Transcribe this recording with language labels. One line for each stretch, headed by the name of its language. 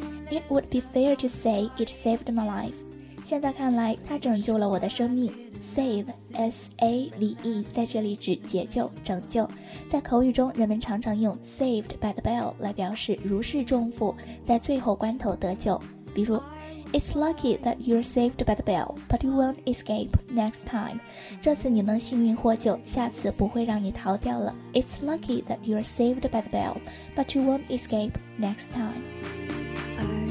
English: It would be fair to say it saved my life.
Chinese: 现在看来，它拯救了我的生命。 Save, S-A-V-E, 在这里指解救、拯救。在口语中，人们常常用
English: saved by the bell
Chinese: 来表示如释重负，在最后关头得救。比如
English: It's lucky that you're saved by the bell, but you won't escape next time.
Chinese: 这次你能幸运获救，下次不会让你逃掉了。
English: It's lucky that you're saved by the bell, but you won't escape next time.